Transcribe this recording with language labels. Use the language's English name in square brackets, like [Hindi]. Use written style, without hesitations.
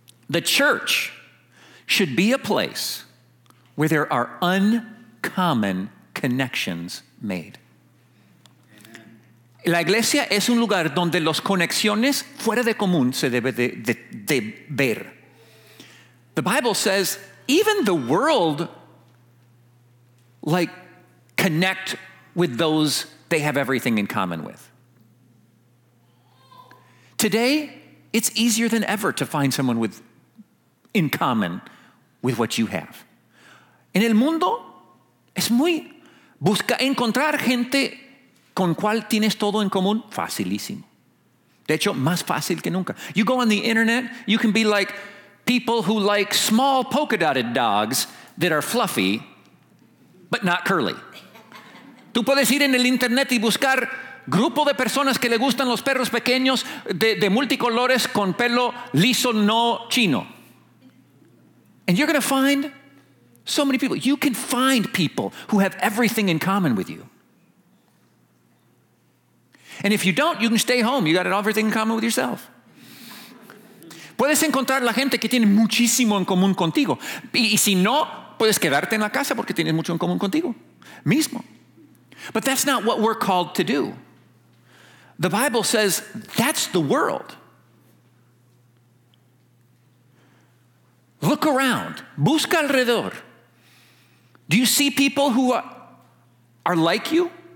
[English] The church should be a place where there are uncommon connections made. [Spanish] Amen. La iglesia es un lugar donde las conexiones fuera de común se debe de ver. [English] The Bible says even the world, like, connect with those they have everything in common with. Today, it's easier than ever to find someone with in common with what you have. [Spanish] En el mundo, es muy busca encontrar gente con cual tienes todo en común, facilísimo. De hecho, más fácil que nunca. [English] You go on the internet, you can be like people who like small polka-dotted dogs that are fluffy, but not curly. [Spanish] Tú puedes ir en el internet y buscar grupo de personas que le gustan los perros pequeños de multicolores con pelo liso, no chino. [English] And you're going to find so many people. You can find people who have everything in common with you. And if you don't, you can stay home. You got everything in common with yourself. [Spanish] Puedes encontrar la gente que tiene muchísimo en común contigo. Y si no, puedes quedarte en la casa porque tienes mucho en común contigo mismo. [English] But that's not what we're called to do. The Bible says that's the world. Look around. [Spanish] Busca alrededor. [English] Do you see people who are like you?